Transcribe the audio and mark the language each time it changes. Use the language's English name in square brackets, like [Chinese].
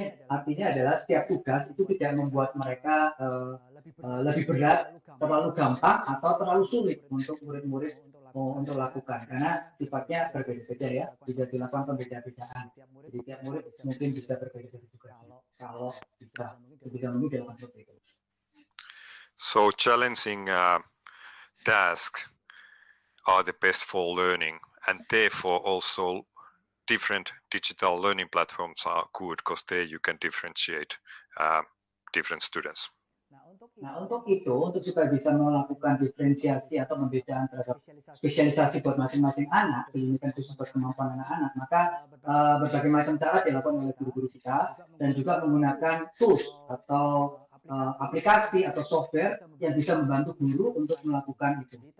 [Indonesian] Artinya adalah setiap tugas itu tidak membuat mereka lebih berat, terlalu gampang atau terlalu sulit untuk murid-murid untuk lakukan, karena sifatnya berbeda-beda ya, bisa dilakukan pembeda-bedaan. Jadi setiap murid mungkin bisa berbeda-beda juga kalau bisa mungkin dilakukan seperti itu. [English] So challenging tasks are the best for learning, and therefore also different digital learning platforms are good because there you can differentiate different students. [Indonesian] Nah, untuk supaya bisa melakukan diferensiasi atau pembedaan terhadap spesialisasi buat masing-masing anak, ini kan khusus buat kemampuan anak-anak, maka berbagai macam cara dilakukan oleh guru-guru kita dan juga menggunakan tools atau aplikasi atau software yang bisa membantu guru untuk melakukan itu.